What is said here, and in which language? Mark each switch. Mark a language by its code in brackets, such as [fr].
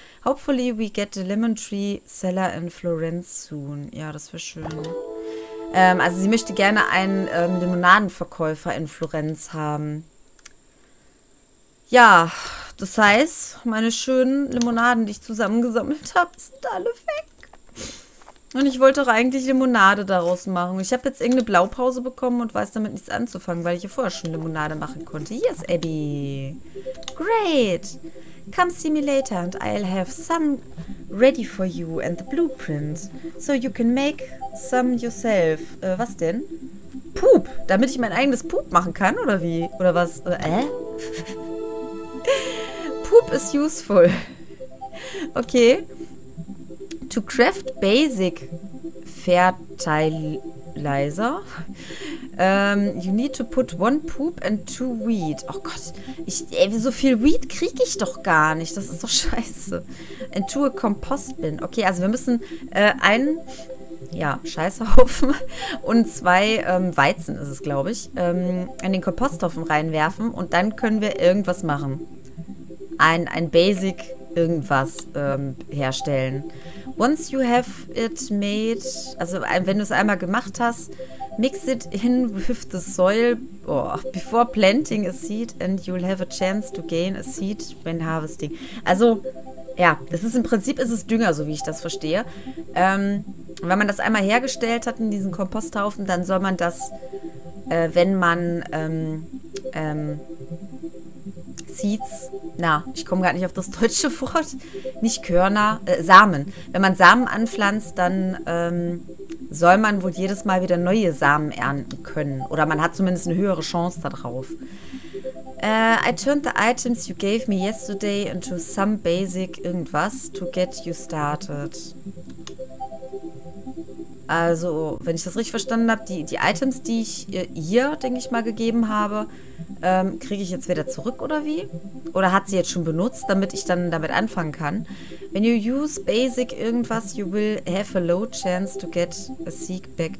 [en] Hopefully we get the lemon tree cellar in Florence soon. [de] Ja, das wäre schön. Also sie möchte gerne einen Limonadenverkäufer in Florenz haben. Ja, das heißt, meine schönen Limonaden, die ich zusammengesammelt habe, sind alle weg. Und ich wollte doch eigentlich Limonade daraus machen. Ich habe jetzt irgendeine Blaupause bekommen und weiß damit nichts anzufangen, weil ich ja vorher schon Limonade machen konnte. Hier ist Abby. Great. [en] Come see me later and I'll have some ready for you and the blueprint. So you can make some yourself. [de] Was denn? [en] Poop. [de] Damit ich mein eigenes Poop machen kann, oder wie? Oder was? [en] Poop is useful. Okay. To craft basic Fertilizer. You need to put one poop and two wheat. [de] Oh Gott. So viel Wheat kriege ich doch gar nicht. Das ist doch scheiße. [en] And to a compost bin. [de] Okay, also wir müssen einen. Ja, Scheißhaufen. Und zwei Weizen ist es, glaube ich. In den Komposthaufen reinwerfen. Und dann können wir irgendwas machen. Ein Basic irgendwas herstellen. [en] Once you have it made, [de] also wenn du es einmal gemacht hast, [en] mix it in with the soil before planting a seed and you'll have a chance to gain a seed when harvesting. [de] Also, ja, das ist im Prinzip ist es Dünger, so wie ich das verstehe. Wenn man das einmal hergestellt hat in diesen Komposthaufen, dann soll man das, wenn man Seeds, na, ich komme gar nicht auf das deutsche Wort, nicht Körner, Samen. Wenn man Samen anpflanzt, dann soll man wohl jedes Mal wieder neue Samen ernten können. Oder man hat zumindest eine höhere Chance darauf. [en] I turned the items you gave me yesterday into some basic irgendwas to get you started. [de] Also, wenn ich das richtig verstanden habe, die Items, die ich ihr, denke ich mal, gegeben habe, kriege ich jetzt wieder zurück oder wie? Oder hat sie jetzt schon benutzt, damit ich dann damit anfangen kann? [en] When you use basic irgendwas, you will have a low chance to get a seed back.